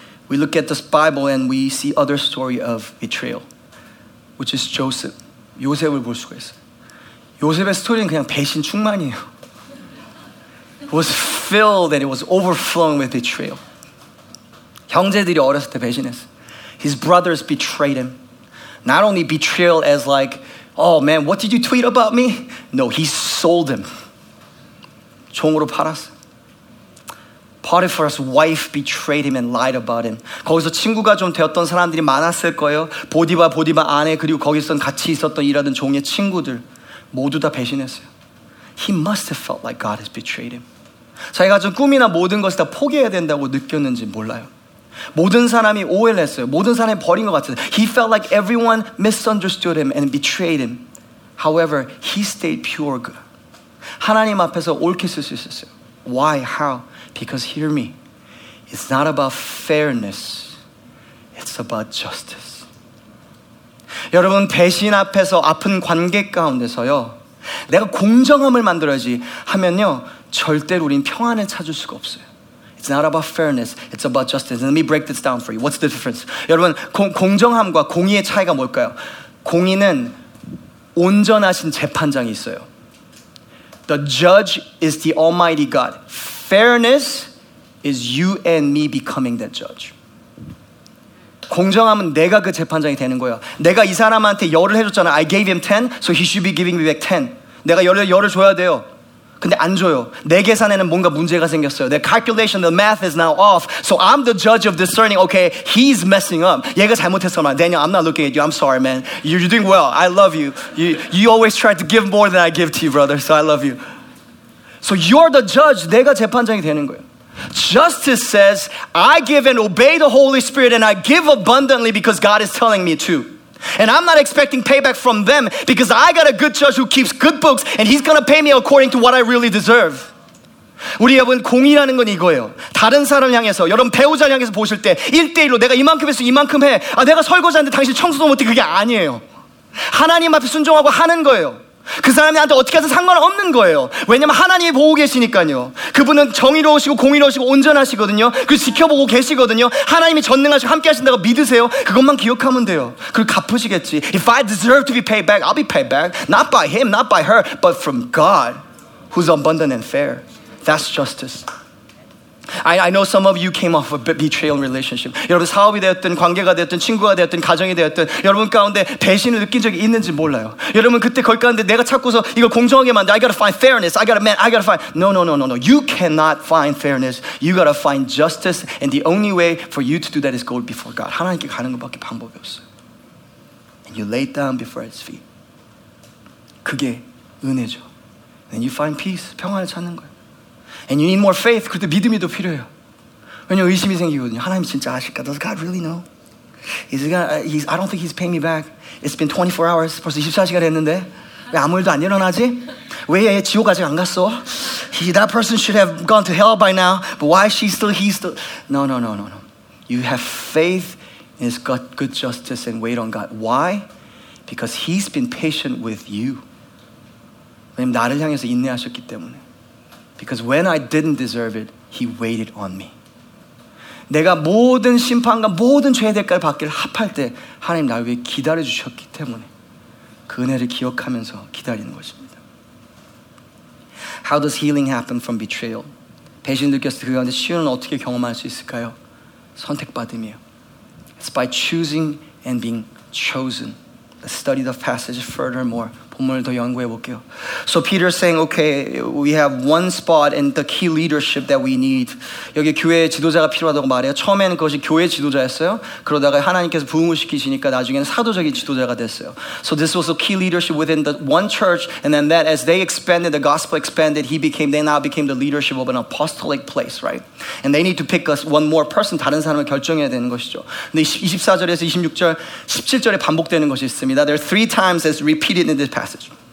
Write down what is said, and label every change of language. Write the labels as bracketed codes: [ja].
[en] We look at this Bible and we see other story of betrayal, which is Joseph. [ko] 요셉을 볼 수가 있어요. 요셉의 스토리는 그냥 배신 충만이에요. [en] It was filled and it was overflowing with betrayal. [ko] 형제들이 어렸을 때 배신했어요. [en] His brothers betrayed him. Not only betrayal as like, oh man, what did you tweet about me? No, he sold him. [ko] 종으로 팔았어. [en] Potiphar's wife betrayed him and lied about him. [ko] 거기서 친구가 좀 되었던 사람들이 많았을 거예요. 보디바 아내 그리고 거기서 같이 있었던 일하던 종의 친구들 모두 다 배신했어요. [en] He must have felt like God has betrayed him. [ko] 자기가 좀 꿈이나 모든 것을 다 포기해야 된다고 느꼈는지 몰라요. 모든 사람이 오해를 했어요. 모든 사람이 버린 것 같아요. [en] He felt like everyone misunderstood him and betrayed him. However, he stayed pure good. [ko] 하나님 앞에서 옳게 쓸 수 있었어요. [en] Why? How? Because hear me, it's not about fairness, it's about justice. [ko] 여러분, 배신 앞에서 아픈 관계 가운데서요, 내가 공정함을 만들어야지 하면요, 절대로 우린 평안을 찾을 수가 없어요. [en] It's not about fairness, it's about justice. Let me break this down for you. What's the difference? [ko] 여러분, 공정함과 공의의 차이가 뭘까요? 공의는 온전하신 재판장이 있어요. [en] The judge is the Almighty God. Fairness is you and me becoming that judge. [ko] 공정함은 내가 그 재판장이 되는 거야. 내가 이 사람한테 열을 해줬잖아. [en] I gave him 10, so he should be giving me back 10. [ko] 내가 열을 줘야 돼요. 근데 안 줘요. 내 계산에는 뭔가 문제가 생겼어요. [en] The calculation, the math is now off. So I'm the judge of discerning. Okay, he's messing up. [ko] 얘가 잘못했어. [en] Daniel, I'm not looking at you. I'm sorry, man. You're doing well. I love you. You always try to give more than I give to you, brother. So I love you. So you're the judge. [ko] 내가 재판장이 되는 거예요. [en] Justice says, I give and obey the Holy Spirit and I give abundantly because God is telling me to. And I'm not expecting payback from them because I got a good judge who keeps good books and he's going to pay me according to what I really deserve. [ko] 우리 여러분 공의라는 건 이거예요. 다른 사람 향해서 여러분 배우자를 향해서 보실 때 1대1로 내가 이만큼 했어 이만큼 해. 아 내가 설거지하는데 당신 청소도 못해 그게 아니에요. 하나님 앞에 순종하고 하는 거예요. 그 사람이 나한테 어떻게 해서 상관없는 거예요. 왜냐면 하나님이 보고 계시니까요. 그분은 정의로우시고 공의로우시고 온전하시거든요. 그 지켜보고 계시거든요. 하나님이 전능하시고 함께 하신다고 믿으세요. 그것만 기억하면 돼요. 그리고 갚으시겠지. [en] If I deserve to be paid back, I'll be paid back. Not by him, not by her, but from God, who's abundant and fair. That's justice. I know some of you came off a betrayal relationship. [ko] 여러분 사업이 되었든 관계가 되었든 친구가 되었든 가정이 되었든 여러분 가운데 배신을 느낀 적이 있는지 몰라요. 여러분 그때 거기 가는데 내가 찾고서 이걸 공정하게 만들 [en] I gotta find fairness. I gotta find. No. You cannot find fairness. You gotta find justice. And the only way for you to do that is go before God. [ko] 하나님께 가는 것밖에 방법이 없어요. [en] And you lay down before His feet. [ko] 그게 은혜죠. [en] And you find peace. [ko] 평안을 찾는 거예요. [en] And you need more faith. [ko] 그때 믿음이 더 필요해요. 왜냐면 의심이 생기거든요. 하나님 진짜 아실까? [en] Does God really know? I don't think he's paying me back. It's been 24 hours. [ko] 벌써 24시간 했는데 왜 아무 일도 안 일어나지? 왜 얘 지옥 아직 안 갔어? [en] That person should have gone to hell by now. But why is she still, he's still? No. You have faith in his good justice and wait on God. Why? Because he's been patient with you. [ko] 왜냐면 나를 향해서 인내하셨기 때문에. [en] Because when I didn't deserve it, he waited on me. [ko] 내가 모든 심판과 모든 죄의 대가를 받기를 합할 때 하나님 나 위해 기다려주셨기 때문에 그 은혜를 기억하면서 기다리는 것입니다. [en] How does healing happen from betrayal? [ko] 배신을 느꼈을 때 그 가운데 치유는 어떻게 경험할 수 있을까요? 선택받음이에요. [en] It's by choosing and being chosen. Let's study the passage furthermore. So Peter is saying, okay, we have one spot and the key leadership that we need. [ko] 여기 교회 지도자가 필요하다고 말해요. 처음에는 그것이 교회 지도자였어요. 그러다가 하나님께서 부흥을 시키시니까 나중에는 사도적인 지도자가 됐어요. [en] So this was a key leadership within the one church, and then that as they expanded, the gospel expanded, they now became the leadership of an apostolic place, right? And they need to pick us one more person, [ko] 다른 사람을 결정해야 되는 것이죠. 근데 24절에서 26절, 17절에 반복되는 것이 있습니다. [en] There are three times it's repeated in this passage.